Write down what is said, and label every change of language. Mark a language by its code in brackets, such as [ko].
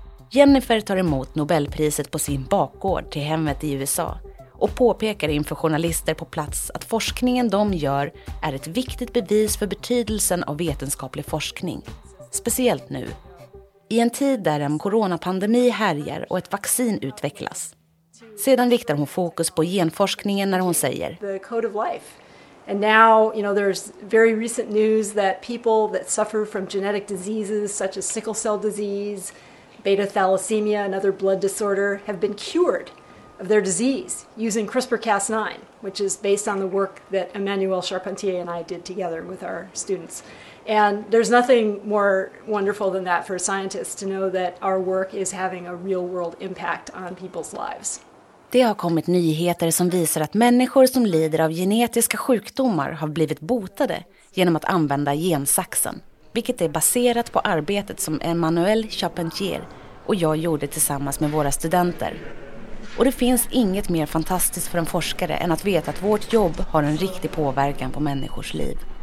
[sv] Jennifer tar emot Nobelpriset på sin bakgård till hemmet i USA och påpekar inför journalister på plats att forskningen de gör är ett viktigt bevis för betydelsen av vetenskaplig forskning, speciellt nu. I en tid där en coronapandemi härjar och ett vaccin utvecklas. Sedan riktar hon fokus på genforskningen när hon säger: [en] "The code of life. And now, you know, there's very recent news that people that suffer from genetic diseases such as sickle cell disease, beta thalassemia and other blood disorder have been cured of their disease using CRISPR-Cas9, which is based on the work that Emmanuel Charpentier and I did together with our students. And there's nothing more wonderful than that for scientists to know that our work is having a real world impact on people's lives." [sv] Det har kommit nyheter som visar att människor som lider av genetiska sjukdomar har blivit botade genom att använda gensaxen, vilket är baserat på arbetet som Emmanuel Charpentier och jag gjorde tillsammans med våra studenter. Och det finns inget mer fantastiskt för en forskare än att veta att vårt jobb har en riktig påverkan på människors liv.